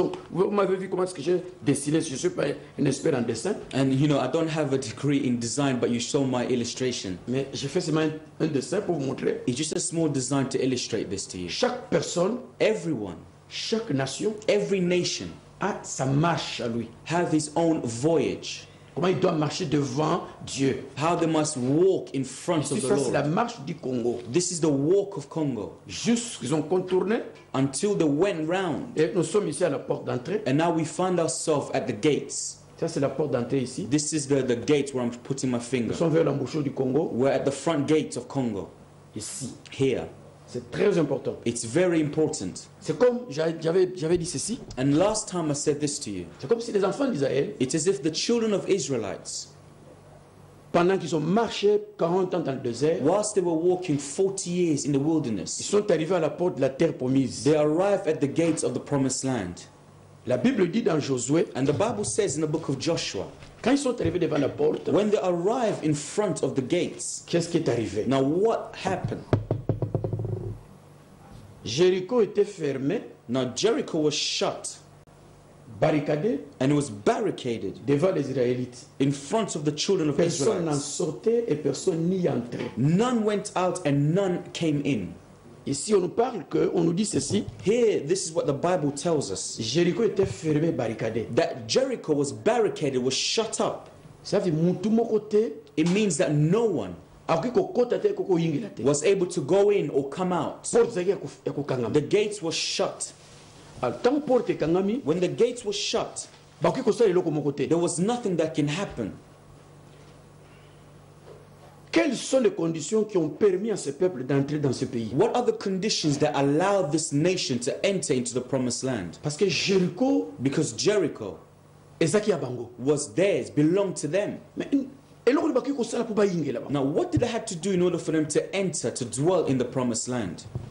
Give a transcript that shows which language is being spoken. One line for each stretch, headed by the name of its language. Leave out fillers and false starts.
French: Vous m'avez vu comment est-ce que j'ai dessiné. Je suis pas un expert en dessin.
English: And you know, I don't have a degree in design, but you saw my illustration.
French: Mais j'ai fait seulement un dessin pour vous montrer.
English: It's just a small design to illustrate this to you.
French: Chaque personne,
English: everyone,
French: chaque nation,
English: every nation,
French: a sa marche à lui.
English: Have his own voyage.
French: Comment il doit marcher devant Dieu?
English: How they must walk in front of the Lord.
French: C'est la marche du Congo.
English: This is the walk of Congo.
French: Jusqu'ils ont contourné.
English: Until they went round.
French: Et nous sommes ici à la porte d'entrée.
English: And now we find ourselves at the gates.
French: Ça c'est la porte d'entrée ici.
English: This is the gate where I'm putting my finger.
French: Nous sommes vers l'embouchure du Congo.
English: We're at the front gates of Congo.
French: Ici.
English: Here.
French: C'est très important.
English: It's very important.
French: C'est comme j'avais dit ceci.
English: And last time I said this to you.
French: C'est comme si les enfants d'Israël.
English: It is as if the children of Israelites.
French: Pendant qu'ils ont marché 40 ans dans le désert.
English: Whilst they were walking 40 years in the wilderness.
French: Ils sont arrivés à la porte de la terre promise.
English: They arrived at the gates of the promised land.
French: La Bible dit dans Josué.
English: And the Bible says in the book of Joshua.
French: Quand ils sont arrivés devant la porte.
English: When they arrived in front of the gates.
French: Qu'est-ce qui est arrivé?
English: Now what happened?
French: Jéricho était fermé.
English: Now Jericho was shut.
French: Barricadé.
English: And it was barricaded.
French: Devant les Israélites.
English: In front of the children of Israel.
French: Personne n'en sortait et personne n'y entrait.
English: None went out and none came in.
French: Ici on nous parle que on nous dit ceci.
English: Here this is what the Bible tells us.
French: Jéricho était fermé, barricadé.
English: That Jericho was barricaded, was shut up.
French: Ça veut dire tout mon côté.
English: It means that no one was able to go in or come out. The gates were shut. When the gates were shut, there was nothing that can happen.
French: Quelles sont les conditions qui ont permis à ce peuple d'entrer dans ce pays?
English: What are the conditions that allow this nation to enter into the promised land?
French: Parce que Jericho,
English: because Jericho, was theirs, belonged to them. Now, what did they have to do in order for them to enter, to dwell in the promised land?